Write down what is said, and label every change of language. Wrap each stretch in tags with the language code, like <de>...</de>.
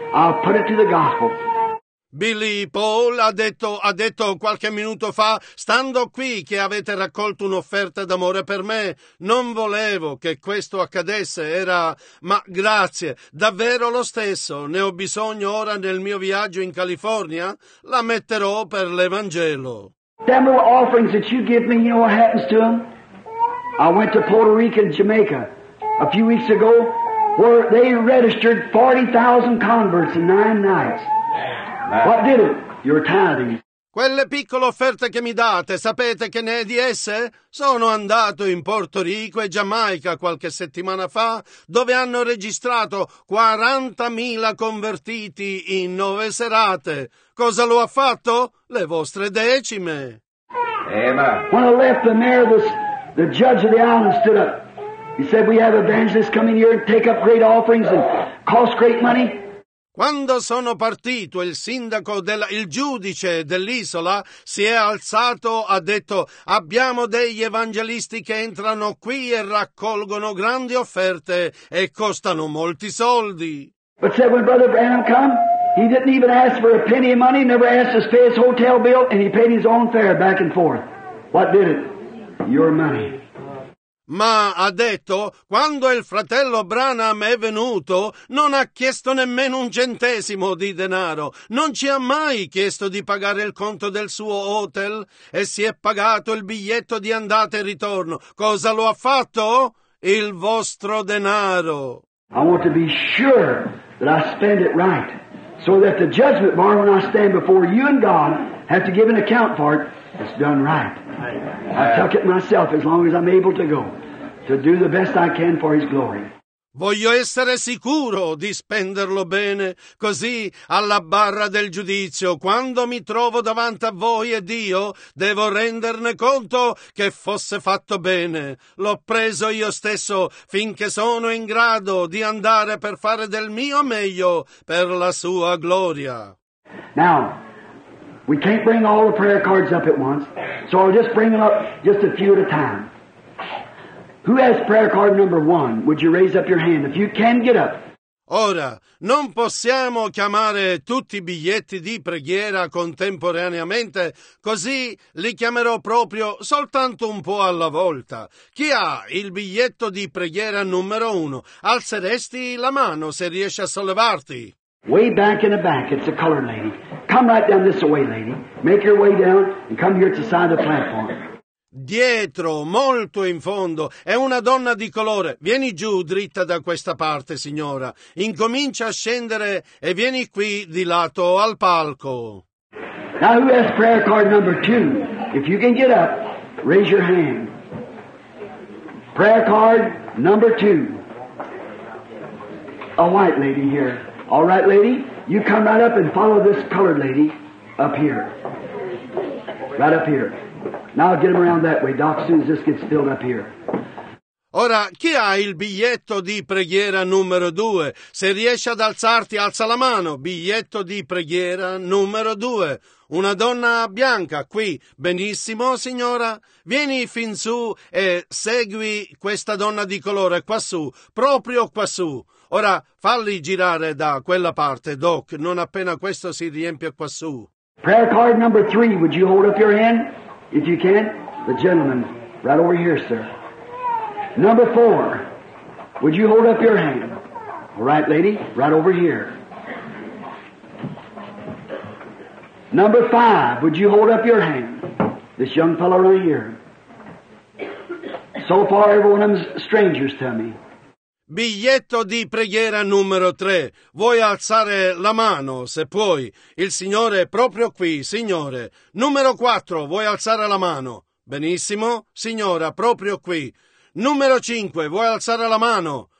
<en>I'll put it to the gospel.</en> <it>Billy Paul ha detto qualche minuto fa, stando qui che avete raccolto un'offerta d'amore per me, non volevo che questo accadesse, era, ma grazie, davvero lo stesso, ne ho bisogno ora nel mio viaggio in California, la metterò per l'Evangelo.</it> <en>Them offerings that you give me, you know what happens to them? I went to Puerto Rico and Jamaica a few weeks ago, where they registered 40,000 converts in 9 nights. What did it? Your tithing.</en> <it>Quelle piccole offerte che mi date, sapete che ne è di esse? Sono andato in Porto Rico e Giamaica qualche settimana fa, dove hanno registrato 40,000 convertiti in 9 serate. Cosa lo ha fatto? Le vostre decime. Emma.</it> <en>When I left the mayor, the judge of the island stood up. He said, we have evangelists coming here and take up great offerings and cost great money.</en> <it>Quando sono partito, il giudice dell'isola si è alzato, ha detto, abbiamo degli evangelisti che entrano qui e raccolgono grandi offerte e costano molti soldi.</it> <en>But said when Brother Branham come, he didn't even ask for a penny of money, never asked to pay his hotel bill, and he paid his own fare back and forth. What did it? Your money.</en> <it>Ma ha detto, quando il fratello Branham è venuto, non ha chiesto nemmeno un centesimo di denaro. Non ci ha mai chiesto di pagare il conto del suo hotel e si è pagato il biglietto di andata e ritorno. Cosa lo ha fatto? Il vostro denaro.</it> <en>I want to be sure that I spend it right, so that the judgment bar, when I stand before you and God, have to give an account for it. It's done right. I took it myself as long as I'm able to go, to do the best I can for His glory.</en> <it>Voglio essere sicuro di spenderlo bene, così alla barra del giudizio, quando mi trovo davanti a voi e Dio, devo renderne conto che fosse fatto bene. L'ho preso io stesso finché sono in grado di andare per fare del mio meglio per la sua gloria.</it> <en>Now, we can't bring all the prayer cards up at once, so I'll just bring them up just a few at a time. Who has prayer card number one? Would you raise up your hand? If you can, get up.</en> <it>Ora, non possiamo chiamare tutti i biglietti di preghiera contemporaneamente, così li chiamerò proprio soltanto un po' alla volta. Chi ha il biglietto di preghiera numero uno? Alzeresti la mano se riesci a sollevarti.</it> <en>Way back in the back, it's a colored lady. Come right down this way, lady. Make your way down and come here to the side of the platform.</en> <it>Dietro, molto in fondo, è una donna di colore. Vieni giù, dritta da questa parte, signora. Incomincia a scendere e vieni qui, di lato, al palco.</it> <en>Now who has prayer card number two? If you can get up, raise your hand. Prayer card number two. A white lady here. All right, lady, you come right up and follow this colored lady up here. Right up here. Now get him around that way, Doc, as soon as this gets filled up here.</en> <it>Ora, chi ha il biglietto di preghiera numero due? Se riesci ad alzarti, alza la mano. Biglietto di preghiera numero due. Una donna bianca, qui. Benissimo, signora. Vieni fin su e segui questa donna di colore, quassù. Proprio quassù. Ora falli girare da quella parte, Doc, non appena questo si riempie quassù.</it> <en>Prayer card number three, would you hold up your hand, if you can? The gentleman, right over here, sir. Number four, would you hold up your hand? All right, lady, right over here. Number five, would you hold up your hand? This young fellow right here. So far, everyone of them's strangers to me.</en> <it>Biglietto di preghiera numero 3. Vuoi alzare la mano, se puoi? Il Signore è proprio qui, Signore. Numero 4, vuoi alzare la mano? Benissimo, Signora, proprio qui. Numero 5, vuoi alzare la mano?</it>